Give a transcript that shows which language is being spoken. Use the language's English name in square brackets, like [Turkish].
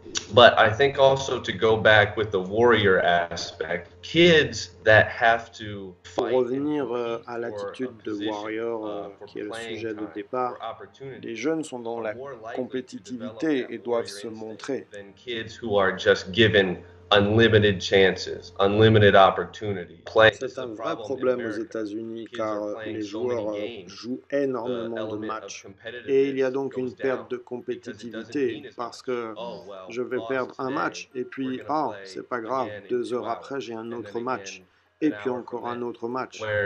[English] But I think also to go back with the warrior aspect, kids that have to fight. [French] Pour revenir à l'attitude de warrior qui est le sujet de départ, les jeunes sont dans la compétitivité et doivent se montrer. [English] Than kids who are just given unlimited chances, unlimited opportunities. [French] C'est un vrai problème aux États-Unis car les joueurs jouent énormément de matchs et il y a donc une perte de compétitivité parce que je vais perdre un match et puis ah, c'est pas grave, deux heures après j'ai un autre match et puis encore un autre match.